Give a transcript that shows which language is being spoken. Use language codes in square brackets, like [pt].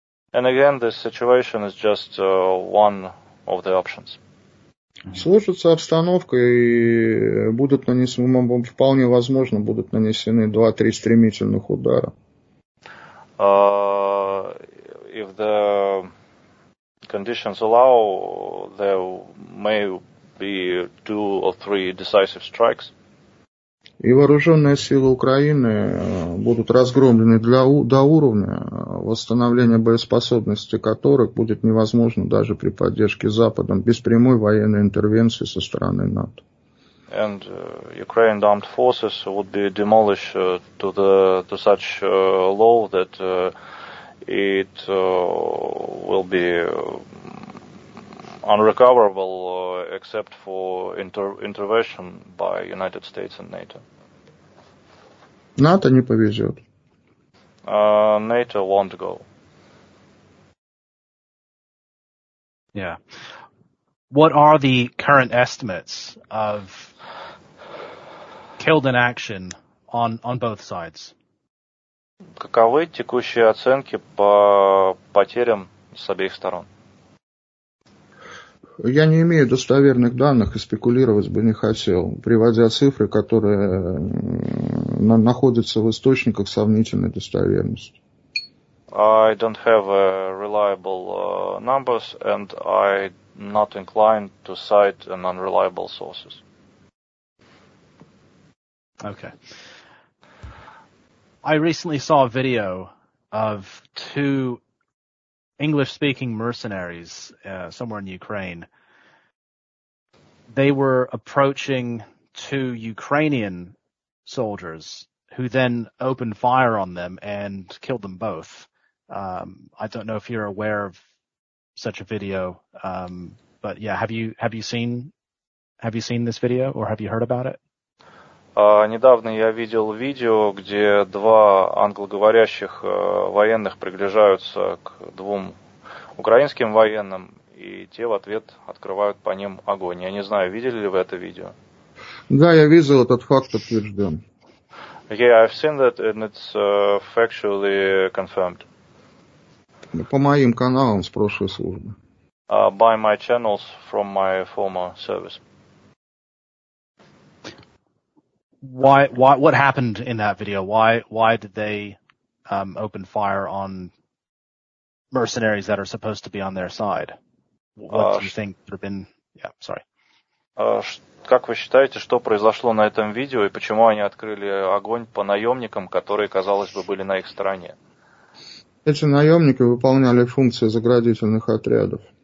[en] And again, this situation is just one of the options. [ru] Сложится обстановка, и будут нанесены, вполне возможно, будут нанесены 2-3 стремительных удара. [en] If the conditions allow, there may be 2 or 3 decisive strikes. [ru] И вооруженные силы Украины будут разгромлены до уровня, восстановление боеспособности которых будет невозможно даже при поддержке Запада без прямой военной интервенции со стороны НАТО. [en] And Ukraine armed forces would be demolished to such low that it will be unrecoverable except for intervention by United States and NATO. [ru] НАТО не повезет. [en] NATO won't go. Yeah. What are the current estimates of killed in action on both sides? [ru] Каковы текущие оценки по потерям с обеих сторон? Я не имею достоверных данных и спекулировать бы не хотел, приводя цифры, которые находятся в источниках сомнительной достоверности. [en] I don't have reliable numbers and I'm not inclined to cite an unreliable sources. Okay. I recently saw a video of 2 English-speaking mercenaries somewhere in Ukraine. They were approaching 2 Ukrainian soldiers who then opened fire on them and killed them both. I don't know if you're aware of such a video, but yeah, have you seen this video or have you heard about it? [ru] Недавно я видел видео, где 2 англоговорящих военных приближаются к 2 украинским военным, и те в ответ открывают по ним огонь. Я не знаю, видели ли вы это видео? Да, я видел, этот факт подтвержден. [en] Yeah, I've seen that and it's factually confirmed. [ru] По моим каналам с прошлой службы. [en] By my channels from my former service. Why what happened in that video? Why did they open fire on mercenaries that are supposed to be on their side? What do you think would have been? Yeah, sorry. [ru] Как вы считаете, что произошло на этом видео и почему они открыли огонь по наемникам, которые, казалось бы, были на их стороне? Эти наемники выполняли функции заградительных отрядов.